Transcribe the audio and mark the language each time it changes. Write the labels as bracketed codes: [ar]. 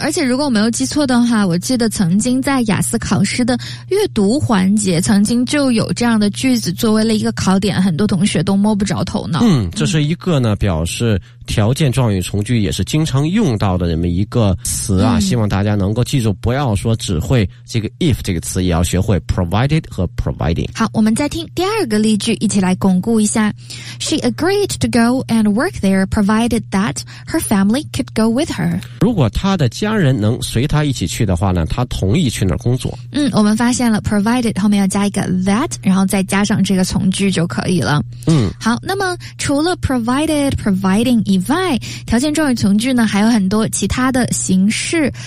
[zh] 而且如果我没有记错的话，我记得曾经在雅思考试的阅读环节，曾经就有这样的句子作为了一个考点，很多同学都摸不着头脑。这是一个呢，表示条件、状语、从句也是经常用到的这么一个词啊。希望大家能够记住，不要说只会这个 if 这个词，也要学会 provided 和 providing。好，我们再听第二个例句，一起来巩固一下。 [en] She agreed to go and work there, provided that her family could go with her. [zh] 如果她的家人能随她一起去的话呢，她同意去那儿工作。我们发现了 provided 后面要加一个 that， 然后再加上这个从句就可以了。好，那么除了 provided、providing 以外，条件、状语、从句呢，还有很多其他的形式。